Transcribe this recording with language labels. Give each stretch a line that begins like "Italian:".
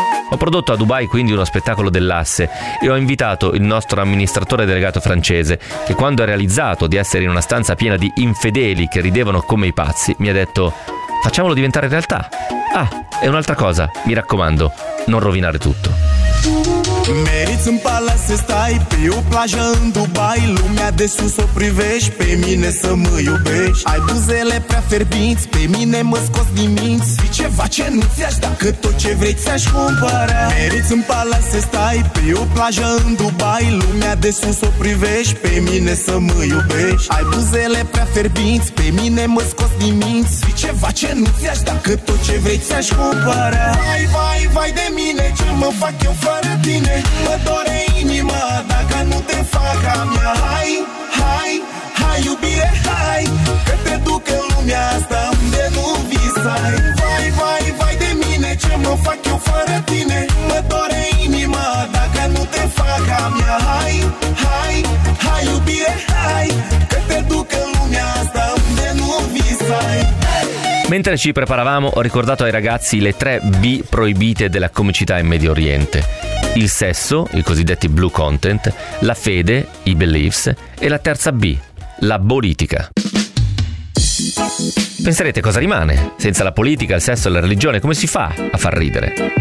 Italian: Ho prodotto a Dubai quindi uno spettacolo dell'Asse e ho invitato il nostro amministratore delegato francese che quando ha realizzato di essere in una stanza piena di infedeli che ridevano come i pazzi mi ha detto «Facciamolo diventare realtà!» Ah, e un'altra cosa, mi raccomando, non rovinare tutto.
Romanian: Meriți un palat să stai pe o plajă în Dubai. Lumea de sus o privești, pe mine să mă iubești. Ai buzele prea ferbinți, pe mine mă scos din minți. Fii ceva ce nu ți-aș da, că tot ce vrei ți-aș cumpăra. Meriți un palat să stai pe o plajă în Dubai. Lumea de sus o privești, pe mine să mă iubești. Ai buzele prea ferbinți, pe mine mă scos din minți. Fii ceva ce nu ți-aș da, că tot ce vrei ți-aș cumpăra. Vai, vai, vai de mine, ce mă fac eu fără tine. Mă dore inima dacă nu te fac a mea. Hai, hai, hai iubire, hai. Că te duc în lumea asta unde nu visai. Vai, vai, vai de mine, ce mă fac eu fără tine. Mă dore inima dacă nu te fac a mea. Hai, hai, hai iubire, hai. Că te duc în lumea asta unde nu visai.
Italian: Mentre ci preparavamo ho ricordato ai ragazzi le 3 B proibite della comicità in Medio Oriente: il sesso, i cosiddetti blue content, la fede, i beliefs, e la terza B, la politica. Penserete cosa rimane? Senza la politica, il sesso e la religione, come si fa a far ridere?